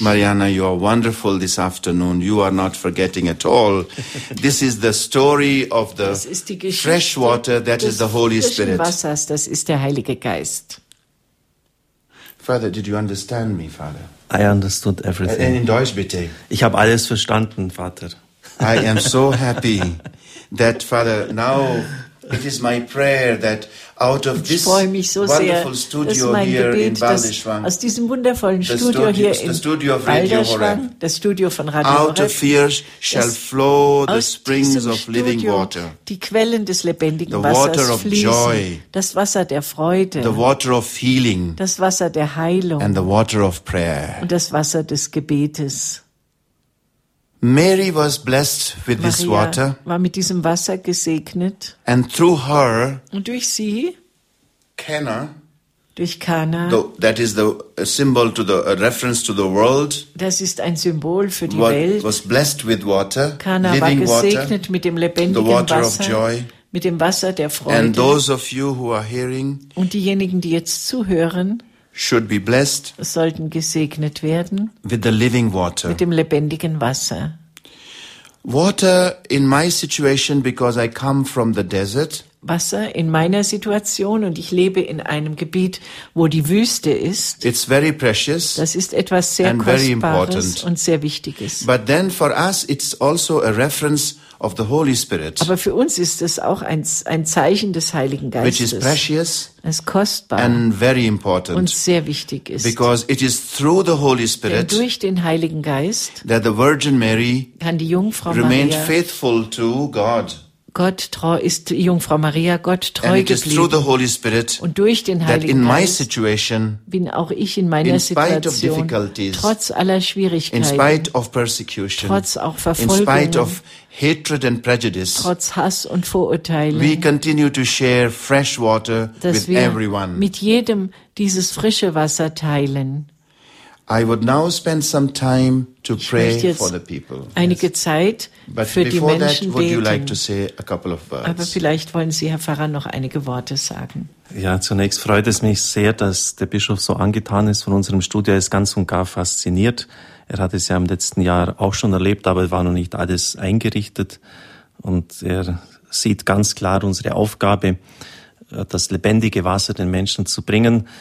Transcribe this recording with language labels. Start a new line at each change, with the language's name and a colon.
English: Mariana, you are wonderful this afternoon. You are not forgetting at all. This is the story of the fresh water, that is the Holy Spirit.
German: Das ist der Heilige Geist.
English: Father, did you understand me, Father? I understood everything.
German: In Deutsch, bitte. Ich habe alles verstanden, Vater.
English: I am so happy that, Father, now it is my prayer that out of this wonderful studio here in Balderschwang,
German: aus diesem wundervollen Studio hier in Balderschwang, das Studio von Radio Horeb,
English: out of here shall flow the springs of living water.
German: Die Quellen des lebendigen Wassers fließen. Das Wasser der Freude.
English: The water of healing.
German: Das Wasser der Heilung.
English: And the water of prayer.
German: Und das Wasser des Gebetes.
English: Mary was blessed with
German: Maria
English: this water.
German: War mit diesem Wasser gesegnet.
English: And through her,
German: und durch sie,
English: Cana,
German: durch Cana,
English: that is the a symbol to the a reference to the world.
German: Das ist ein Symbol für die Welt.
English: Was blessed with water,
German: Cana
English: living
German: war gesegnet
English: water,
German: mit dem lebendigen
English: the water
German: Wasser,
English: of joy,
German: mit dem Wasser der Freude.
English: And those of you who are hearing,
German: und diejenigen, die jetzt zuhören,
English: should be blessed,
German: sollten gesegnet werden,
English: with the living water,
German: mit dem lebendigen Wasser.
English: Water in my situation, because I come from the desert,
German: Wasser in meiner Situation und ich lebe in einem Gebiet, wo die Wüste ist.
English: It's very precious.
German: Das ist etwas sehr
English: and
German: Kostbares und sehr Wichtiges.
English: But then for us it's also a reference of the Holy Spirit.
German: Aber für uns ist es auch ein Zeichen des Heiligen Geistes.
English: Which is precious.
German: Es ist kostbar
English: and very important,
German: und sehr wichtig ist.
English: Because it is through the Holy Spirit,
German: denn durch den Heiligen Geist,
English: that the Virgin Mary
German: kann die Jungfrau Maria
English: remained faithful to God.
German: Gott treu ist die Jungfrau Maria, Gott treu
English: and it
German: geblieben.
English: Is through the Holy Spirit,
German: und durch den Heiligen
English: in my
German: Geist
English: situation,
German: bin auch ich in meiner
English: in spite
German: Situation, trotz aller Schwierigkeiten,
English: in spite of persecution,
German: trotz auch Verfolgungen,
English: in spite of hatred and prejudice,
German: trotz Hass und Vorurteilen,
English: we continue to share fresh water
German: dass
English: with
German: wir
English: everyone.
German: Mit jedem dieses frische Wasser teilen.
English: I would now spend some time to pray for the people.
German: Einige Zeit
English: but
German: für die Menschen
English: that, would
German: beten.
English: You like to say a couple of words?
German: Aber vielleicht wollen Sie, Herr Pfarrer, noch einige Worte sagen. Ja, zunächst freut es mich sehr, dass der Bischof so angetan ist von unserem Studio. Er ist ganz und gar fasziniert. Er hat es ja im letzten Jahr auch schon erlebt, aber war noch nicht alles eingerichtet. Und er sieht ganz klar unsere Aufgabe, das lebendige Wasser den Menschen zu bringen.